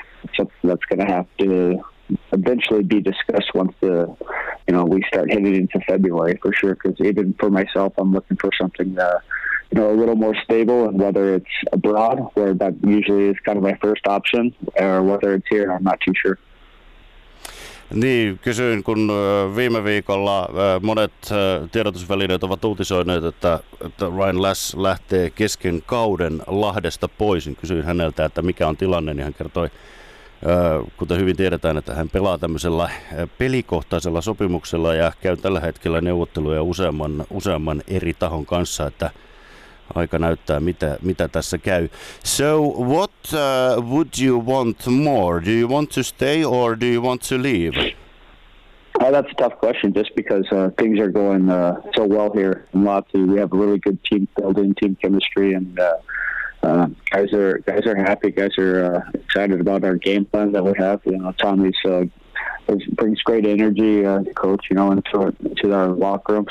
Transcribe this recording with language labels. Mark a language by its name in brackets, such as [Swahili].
[English] It's something that's going to have to eventually be discussed once we start heading into February for sure. Because even for myself, I'm looking for something that, a little more stable, and whether it's abroad, where that usually is kind of my first option, or whether it's here, I'm not too sure. [Finnish] Niin, kysyin, kun viime viikolla monet tiedotusvälineet ovat uutisoineet, että Ryan Lash lähtee kesken kauden Lahdesta pois. Kysyin häneltä, että mikä on tilanne, niin hän kertoi, kuten hyvin tiedetään, että hän pelaa tämmöisellä pelikohtaisella sopimuksella ja käy tällä hetkellä neuvotteluja useamman eri tahon kanssa, että aika näyttää, mitä tässä käy. [English] So, what would you want more? Do you want to stay or do you want to leave? Well, that's a tough question, just because things are going so well here in Lahti. We have a really good team building, team chemistry, and guys are happy. Guys are excited about our game plan that we have. Tommy's brings great energy to coach, into our locker room.